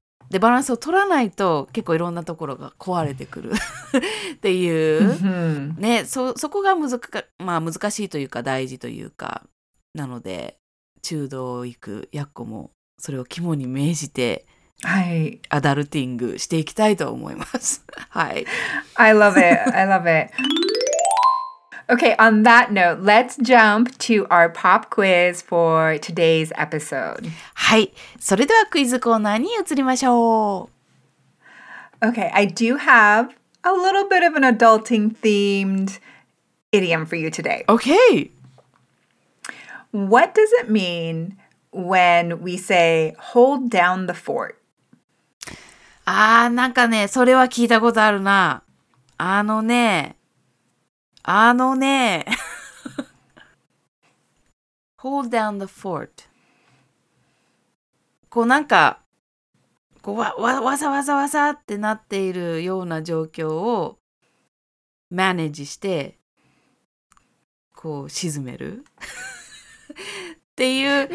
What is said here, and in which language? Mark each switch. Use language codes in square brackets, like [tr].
[ja] で、バランスを取らないと結構いろんなところが壊れてくるっていう、ね、そこが難か、まあ難しいというか大事というか、なので中道行くやっこもそれを肝に銘じて、はい、アダルティングしていきたいと思います。はい。 [en] I love it. I love it. Okay, on that note, let's jump to our pop quiz for today's episode. [ja] はい、それではクイズコーナーに移りましょう。 [en] Okay, I do have a little bit of an adulting themed idiom for you today. Okay. What does it mean when we say hold down the fort? [ja] ああ、なんかね、それは聞いたことあるな。あのね、あのね、hold down the fort。こうなんか、こう わざわざってなっているような状況をマネージして、こう沈めるっていう。